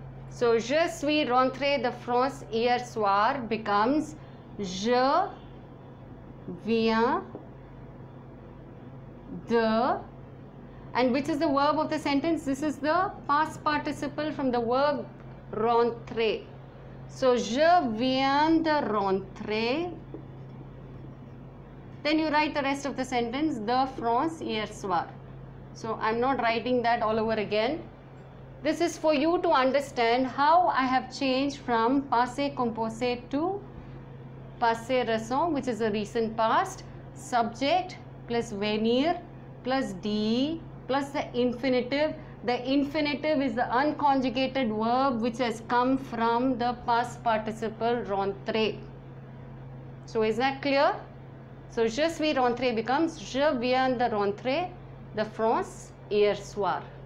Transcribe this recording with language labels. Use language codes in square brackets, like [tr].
[fr] So je suis rentré de France hier soir becomes je viens de. [en] And which is the verb of the sentence? This is the past participle from the verb rentrer. [fr] So je viens de rentrer. [en] Then you write the rest of the sentence, [fr] de France hier soir. [en] So I'm not writing that all over again. This is for you to understand how I have changed from passé composé to passé récent, which is a recent past. Subject plus venir plus D plus the infinitive. The infinitive is the unconjugated verb which has come from the past participle rentrer. So is that clear? [fr] So je suis rentré becomes je viens de rentrer de France hier soir.